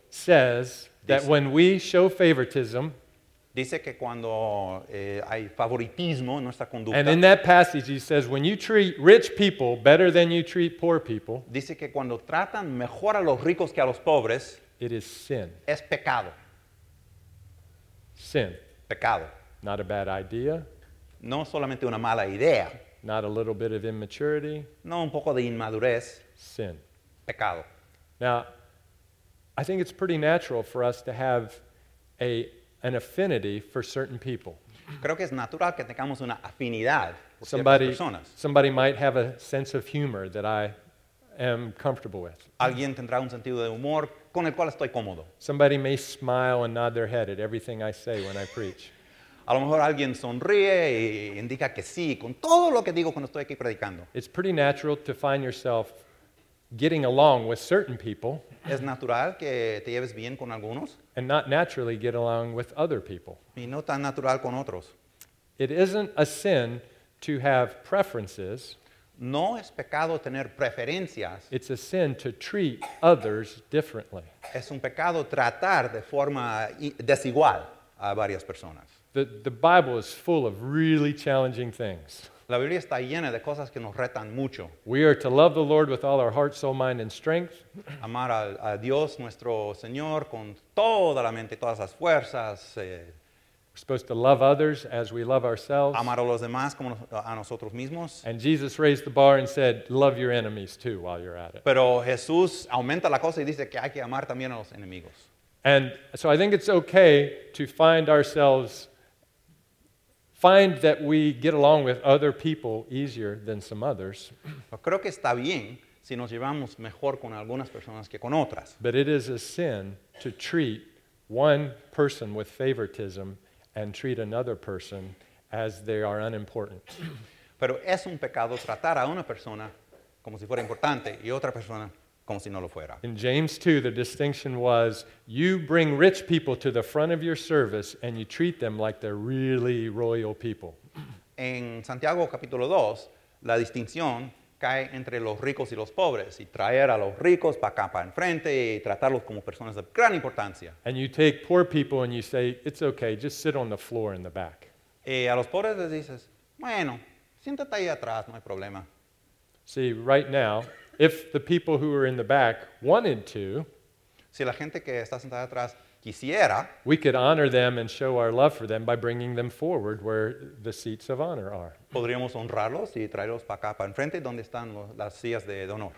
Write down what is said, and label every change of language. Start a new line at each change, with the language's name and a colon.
English: says that when we show favoritism,
Spanish: dice que cuando hay favoritismo en nuestra conducta.
English: And in that passage he says, when you treat rich people better than you treat poor people,
Spanish: dice que cuando tratan mejor a los ricos que a los pobres,
English: it is sin.
Spanish: Es pecado.
English: Sin.
Spanish: Pecado.
English: Not a bad idea.
Spanish: No solamente una mala idea.
English: Not a little bit of immaturity.
Spanish: No un poco de inmadurez.
English: Sin.
Spanish: Pecado.
English: Now, I think it's pretty natural for us to have an affinity for certain people.
Spanish: Creo que es natural que tengamos una afinidad por ciertas personas.
English: Somebody might have a sense of humor that I am comfortable with.
Spanish: Alguien tendrá un sentido de humor con el cual estoy cómodo.
English: Somebody may smile and nod their head at everything I say when I preach.
Spanish: A lo mejor alguien sonríe y indica que sí con todo lo que digo cuando estoy aquí predicando.
English: It's pretty natural to find yourself getting along with certain people.
Spanish: Es natural que te lleves bien con algunos.
English: And not naturally get along with other people.
Spanish: Y no tan natural con otros.
English: It isn't a sin to have preferences.
Spanish: No es pecado tener preferencias.
English: It's a sin to treat others differently.
Spanish: Es un pecado tratar de forma desigual a varias personas.
English: The Bible is full of really challenging things.
Spanish: La Biblia está llena de cosas que nos retan mucho.
English: We are to love the Lord with all our heart, soul, mind, and strength.
Spanish: Amar a Dios nuestro Señor con toda la mente y todas las fuerzas.
English: We're supposed to love others as we love ourselves.
Spanish: Amar a los demás como a nosotros mismos.
English: And Jesus raised the bar and said, love your enemies too while you're at it.
Spanish: Pero Jesús aumenta la cosa y dice que hay que amar también a los enemigos.
English: And so I think it's okay to find that we get along with other people easier than some others.
Spanish: Creo que está bien si nos llevamos mejor con algunas personas que con otras.
English: But it is a sin to treat one person with favoritism and treat another person as they are unimportant.
Spanish: Pero es un pecado tratar a una persona como si fuera importante y otra persona como si no lo fuera.
English: In James 2, the distinction was, you bring rich people to the front of your service and you treat them like they're really royal people.
Spanish: En Santiago capítulo 2, la distinción cae entre los ricos y los pobres, y traer a los ricos para acá, para enfrente, y tratarlos como personas de gran importancia.
English: And you take poor people and you say, it's okay, just sit on the floor in the back.
Spanish: Y a los pobres les dices, bueno, siéntate ahí atrás, no hay problema.
English: See, right now, if the people who are in the back wanted to,
Spanish: si la gente que está sentada atrás quisiera,
English: we could honor them and show our love for them by bringing them forward where the seats of honor are.
Spanish: Podríamos honrarlos y traerlos para acá, para enfrente, donde están las sillas de honor.